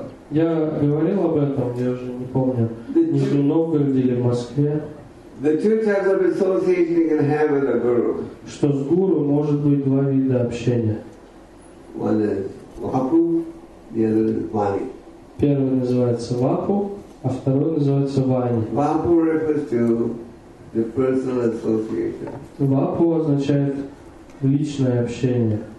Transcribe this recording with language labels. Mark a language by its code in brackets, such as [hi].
[ru] Я говорил об этом, я уже не помню. Между Новгороде или в Москве. [en] The two types of association you can have with a guru. [ru] Что с гуру может быть два вида общения. [en] One is vapu, the other is vani. [ru] Первый называется вапу, а второй называется вани. [en] Vapu refers to the personal association. [ru] Вапу означает личное общение.